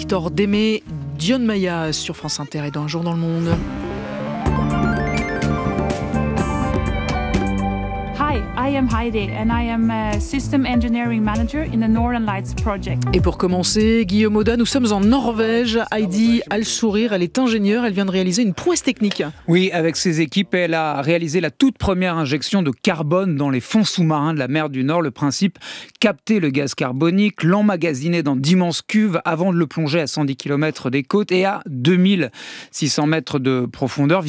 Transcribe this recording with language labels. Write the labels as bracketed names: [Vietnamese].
[French] d'aimer Dionne Maya sur France Inter et dans Un jour dans le monde. [English] Hi, I am Heidi and I am a system engineering manager in the Northern Lights project. [French] Et pour commencer, Guillaume Audat, nous sommes en Norvège. Heidi a le sourire, elle est ingénieure, elle vient de réaliser une prouesse technique. Oui, avec ses équipes, elle a réalisé la toute première injection de carbone dans les fonds sous-marins de la mer du Nord. Le principe, capter le gaz carbonique, l'emmagasiner dans d'immenses cuves avant de le plonger à 110 km des côtes et à 2600 mètres de profondeur.